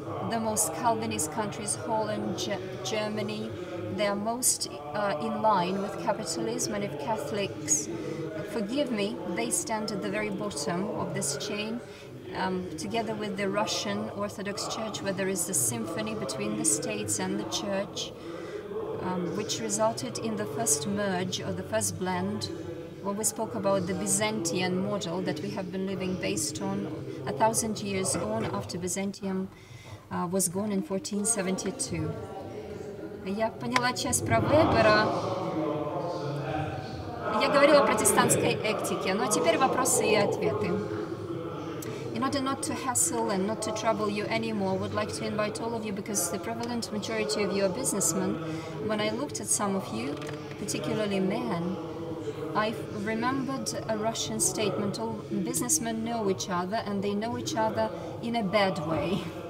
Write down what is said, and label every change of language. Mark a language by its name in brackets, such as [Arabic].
[English] The most Calvinist countries, Holland, Germany, they are most in line with capitalism, and if Catholics, forgive me, they stand at the very bottom of this chain, together with the Russian Orthodox Church, where there is the symphony between the states and the church, which resulted in the first merge or the first blend. When we spoke about the Byzantian model that we have been living based on 1,000 years on after Byzantium was gone in 1472. [Russian] Я поняла часть про Вебера. Я говорила о протестантской этике. Ну, а теперь вопросы и ответы. [English] In order not to hassle and not to trouble you anymore, I would like to invite all of you, because the prevalent majority of you are businessmen. When I looked at some of you, particularly men, I remembered a Russian statement: all businessmen know each other, and they know each other in a bad way.